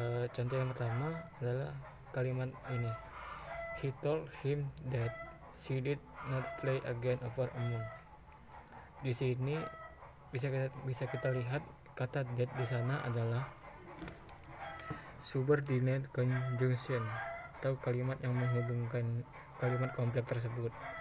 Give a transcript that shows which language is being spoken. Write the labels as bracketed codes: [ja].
[id] Contoh yang pertama adalah kalimat ini. [en] He told him that she did not play again over a moon. [id] Di sini bisa kita lihat kata that di sana adalah subordinate conjunction atau kalimat yang menghubungkan kalimat kompleks tersebut.